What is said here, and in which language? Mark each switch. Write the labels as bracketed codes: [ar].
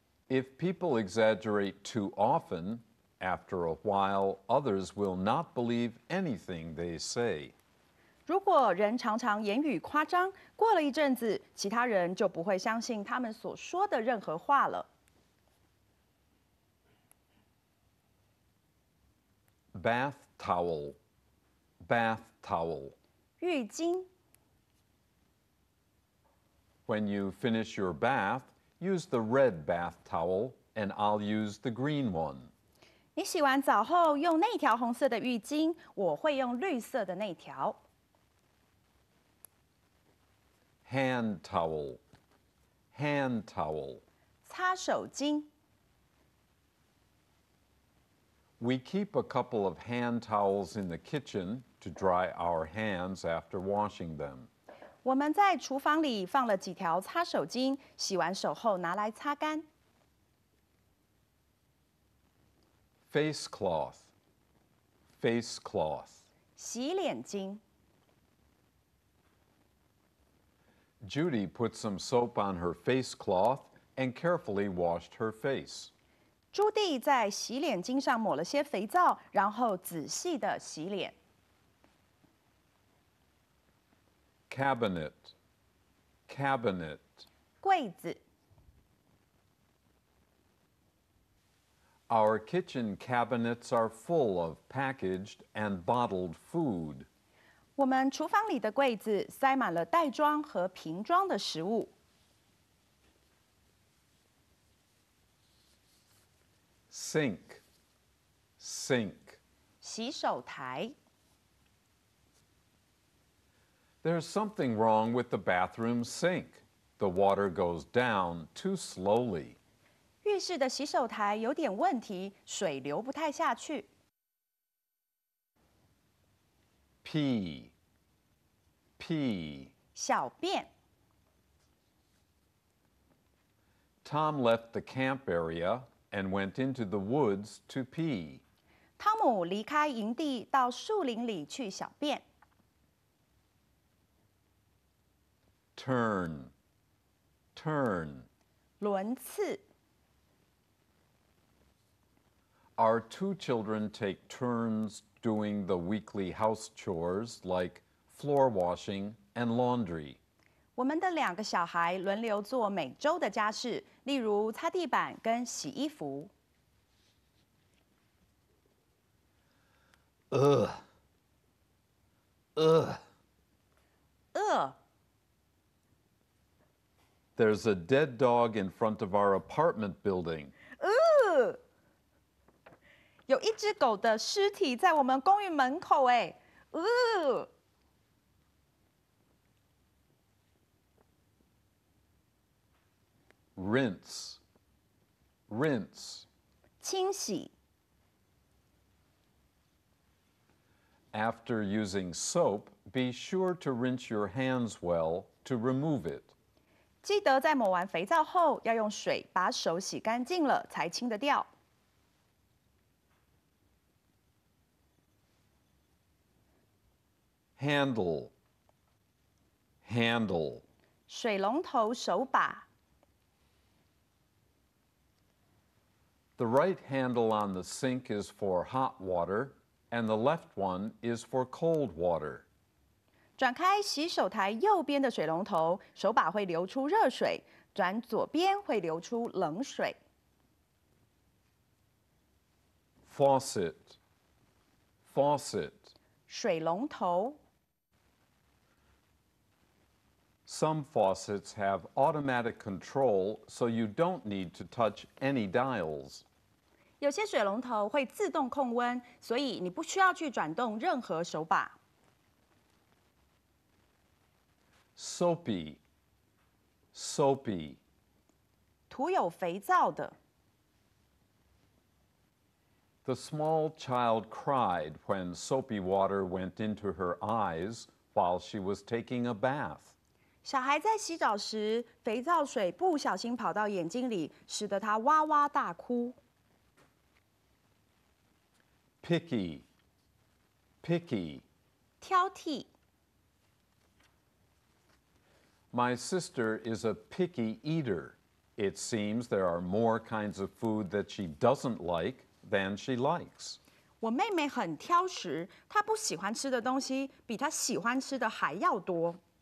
[en] If people exaggerate too often, after a while, others will not believe anything they say. [zh] 如果人常常言语夸张，过了一阵子，其他人就不会相信他们所说的任何话了。 [en] Bath towel, bath towel. [zh] 浴巾。 [en] When you finish your bath, use the red bath towel, and I'll use the green one. [zh] 你洗完澡后用那条红色的浴巾，我会用绿色的那条。 [en] Hand towel, hand towel. [zh] 擦手巾。 [en] We keep a couple of hand towels in the kitchen to dry our hands after washing them. [zh] 我们在厨房里放了几条擦手巾，洗完手后拿来擦干。 [en] Face cloth, face cloth. [zh] 洗脸巾。 [en] Judy put some soap on her face cloth and carefully washed her face. [zh] 朱蒂在洗脸巾上抹了些肥皂，然后仔细地洗脸。 [en] Cabinet, cabinet. [zh] 柜子。 [en] Our kitchen cabinets are full of packaged and bottled food. [zh] 我们厨房里的柜子塞满了袋装和瓶装的食物。 [en] Sink, sink. [zh] 洗手台。 [en] There's something wrong with the bathroom sink. The water goes down too slowly. [zh] 浴室的洗手台有点问题，水流不太下去。 [en] Pee, pee. [zh] 小便。 [en] Tom left the camp area and went into the woods to pee. [zh] 汤姆离开营地，到树林里去小便。 [en] Turn, turn. [zh] 轮次。 [en] Our two children take turns doing the weekly house chores like floor washing and laundry. [zh] 我们的两个小孩轮流做每周的家事，例如擦地板跟洗衣服。 [en] There's a dead dog in front of our apartment building. Ooh! [zh] 有一只狗的尸体在我们公寓门口耶。 Ooh! [en] Rinse. Rinse. [zh] 清洗。 [en] After using soap, be sure to rinse your hands well to remove it. [zh] 记得在抹完肥皂后，要用水把手洗干净了，才清得掉。 [en] Handle, handle. [zh] 水龙头手把。 [en] The right handle on the sink is for hot water, and the left one is for cold water. [zh] 转开洗手台右边的水龙头，手把会流出热水，转左边会流出冷水。 [en] Faucet, faucet. [zh] 水龙头。 [en] Some faucets have automatic control, so you don't need to touch any dials. [zh] 有些水龙头会自动控温，所以你不需要去转动任何手把。 [en] Soapy, soapy. [zh] 涂有肥皂的。 [en] The small child cried when soapy water went into her eyes while she was taking a bath. [zh] 小孩在洗澡时，肥皂水不小心跑到眼睛里，使得她哇哇大哭。 [en] Picky, picky. [zh] 挑剔。 [en] My sister is a picky eater. It seems there are more kinds of food that she doesn't like than she likes. [zh] 我妹妹很挑食，她不喜欢吃的东西比她喜欢吃的还要多。